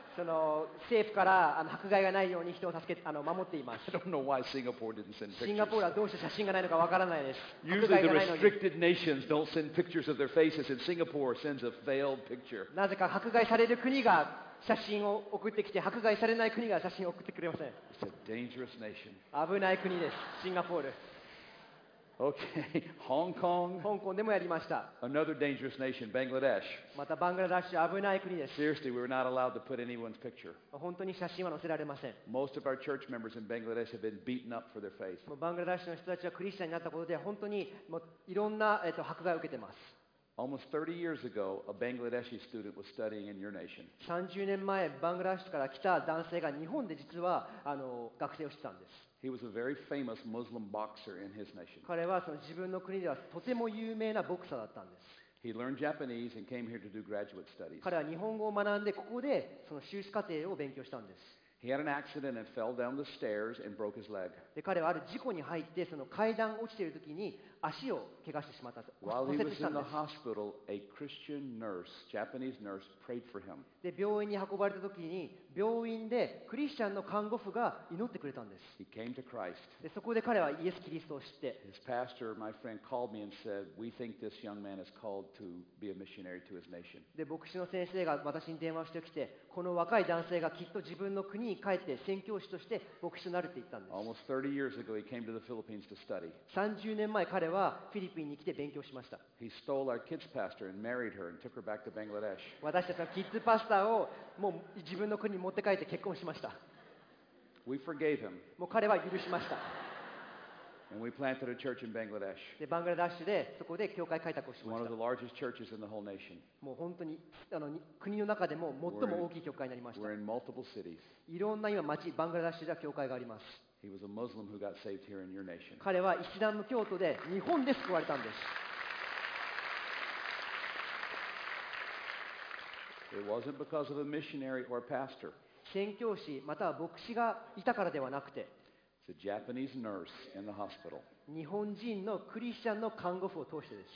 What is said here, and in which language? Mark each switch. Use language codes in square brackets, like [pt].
[ja] その政府から迫害がないように人を守っています。 [en] I don't know why Singapore didn't send pictures. [ja] シンガポールはどうして写真がないのかわからないです。 [en] Usually the restricted nations don't send pictures. Pictures of their faces, and Singapore sends a failed picture. [ja] なぜか迫害される国が写真を送ってきて、迫害されない国が写真を送ってくれません。 [en] It's a dangerous nation. [ja] 危ない国です、シンガポール。 [en] Okay, Hong Kong. [ja] 香港でもやりました。 [en] Another dangerous nation, Bangladesh. [ja] またバングラデシュ、危ない国です。 [en] Seriously, we were not allowed to put anyone's picture. [ja] 本当に写真は載せられません。 [en] Most of our church members in Bangladesh have been beaten up for their faith. [ja] もうバングラデシュの人たちはクリスチャンになったことで本当にもういろんな迫害を受けてます。 [en] Almost 30 years ago, a Bangladeshi student was studying in your nation. [ja] 30年前、バングラデシュから来た男性が日本で実は学生をしてたんです。 [en] He was a very famous Muslim boxer in his nation. [ja] 彼はその自分の国ではとても有名なボクサーだったんです。 [en] He learned Japanese and came here to do graduate studies. [ja] 彼は日本語を学んでここでその修士課程を勉強したんです。 [en] He had an accident and fell down the stairs and broke his leg. [ja] で彼はある事故に入ってその階段落ちている時に足を怪我してしまった。 [en] While he was in the hospital, a Christian nurse, Japanese nurse, prayed for him. [ja] で病院に運ばれた時に病院でクリスチャンの看護婦が祈ってくれたんです。 [en] He came to Christ. [ja] でそこで彼はイエス・キリストを知って。 [en] His pastor, my friend, called me and said, "We think this young man is called to be a missionary to his nation." [ja] で牧師の先生が私に電話してきて、この若い男性がきっと自分の国に帰って宣教師として牧師になるって言ったんです。 [en] Almost 30 years ago, he came to the Philippines to study. [ja] 30年前彼はフィリピンに来て勉強しました。 [en] He stole our kids pastor and married her and took her back to Bangladesh. [ja] 私たちのキッズパスターをもう自分の国に持って帰って結婚しました。 [en] We forgave him. [ja] もう彼は許しました。 [en] And we planted a church in Bangladesh. [ja] で、バングラデシュで、そこで教会開拓をしました。 [en] One of the largest churches in the whole nation. [ja] もう本当に、国の中でも最も大きい教会になりました。 [en] We're in multiple cities. [ja] いろんな今町、バングラデシュでは教会があります。 [en] He was a Muslim who got saved here in your nation. [ja] 彼はイスラム教徒で日本で救われたんです。 [en] It wasn't because of a missionary or a pastor. [ja] 宣教師または牧師がいたからではなくて、 [en] It's a Japanese nurse in the hospital. [ja] 日本人のクリスチャンの看護婦を通してです。